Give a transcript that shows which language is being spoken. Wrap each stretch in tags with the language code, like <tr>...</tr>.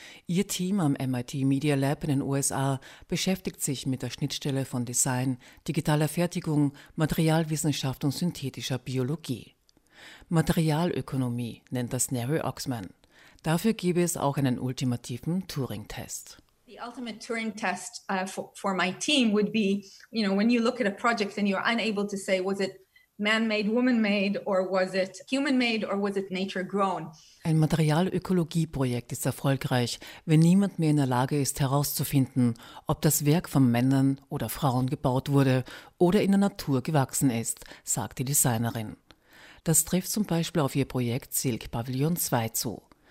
<de>Ihr Team am MIT Media Lab in den USA beschäftigt sich mit der Schnittstelle von Design, digitaler Fertigung, Materialwissenschaft und synthetischer Biologie. Materialökonomie nennt das Neri Oxman. Dafür gäbe es auch einen ultimativen Turing-Test.</de> <en>The ultimate Turing test for my team would be, you know, when you look at a project and you're unable to say, was it man-made, woman-made, or was it human-made, or was it nature-grown?</en> <de>Ein Materialökologie-Projekt ist erfolgreich, wenn niemand mehr in der Lage ist, herauszufinden, ob das Werk von Männern oder Frauen gebaut wurde oder in der Natur gewachsen ist, sagt die Designerin. Das trifft zum Beispiel auf ihr Projekt Silk Pavilion 2 zu.</de>